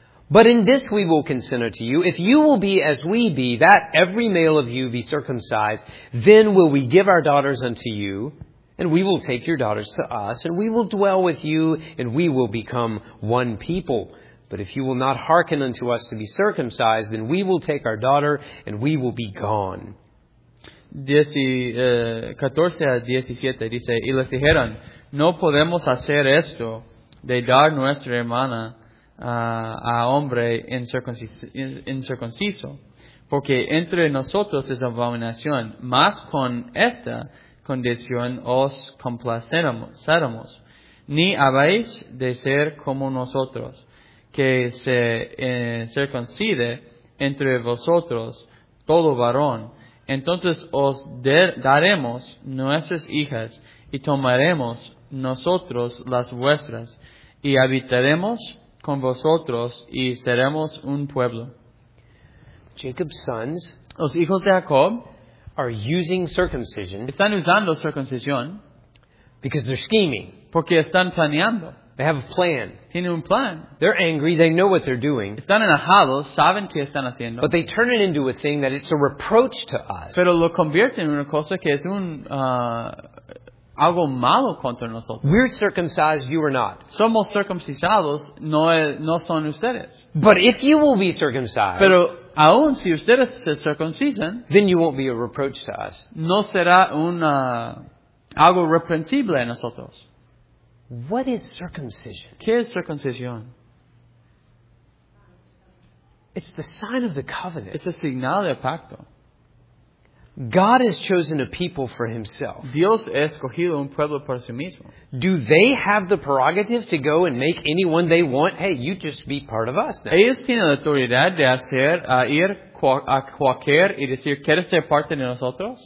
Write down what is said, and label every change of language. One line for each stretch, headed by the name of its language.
English: But in this we will consent unto you, if you will be as we be, that every male of you be circumcised, then will we give our daughters unto you, and we will take your daughters to us, and we will dwell with you, and we will become one people. But if you will not hearken unto us to be circumcised, then we will take our daughter and we will be gone.
Spanish: 14 a 17 dice, y les dijeron, no podemos hacer esto de dar nuestra hermana a hombre incircunciso, porque entre nosotros es abominación, mas con esta condición os complaceremos, ni habéis de ser como nosotros. Que se circuncide entre vosotros todo varón. Entonces os daremos nuestras hijas y tomaremos nosotros las vuestras y habitaremos con vosotros y seremos un pueblo.
English: Jacob's sons,
Spanish: los hijos de Jacob,
English: are using circumcision,
Spanish: están usando circuncisión,
English: because they're scheming,
Spanish: porque están planeando.
English: They have a plan.
Spanish: Tienen un plan.
English: They're angry. They know what they're doing.
Spanish: Están enojados. Saben qué están haciendo.
English: But they turn it into a thing that it's a reproach to us.
Spanish: Pero lo convierten en una cosa que es un algo malo contra nosotros.
English: We're circumcised. You are not.
Spanish: Somos circuncisados. No son ustedes.
English: But if you will be circumcised.
Spanish: Pero aún si ustedes se circuncisen.
English: Then you won't be a reproach to us.
Spanish: No será un algo reprensible a nosotros.
English: What is circumcision?
Spanish: ¿Qué es circuncisión?
English: It's the sign of the covenant. It's a
Spanish: señal del pacto.
English: God has chosen a people for himself.
Spanish: Dios ha escogido un pueblo para sí mismo.
English: Do they have the prerogative to go and make anyone they want? Hey, you just be part of us now.
Spanish: Ellos tienen la autoridad de hacer ir a cualquier y decir, ¿quieres ser parte de nosotros?